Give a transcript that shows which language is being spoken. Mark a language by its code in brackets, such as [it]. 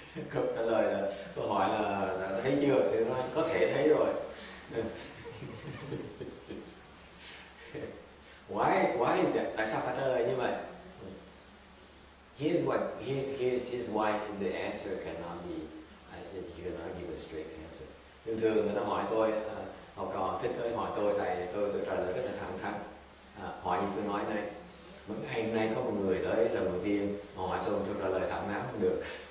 [vi] Câu trả lời là câu hỏi là thấy chưa, thì nói có thể thấy rồi. [en] Why is that? [vi] Tại sao phải trả lời như vậy? [en] Here's why the answer cannot be, I think you cannot give a straight answer. [vi] Thường thường người ta hỏi tôi, học trò thích tới hỏi tôi, tại tôi trả lời rất là thẳng thắn. Hỏi như tôi nói này, mấy ngày hôm nay có một người tới lần đầu tiên hỏi tôi trả lời thẳng thắn không được.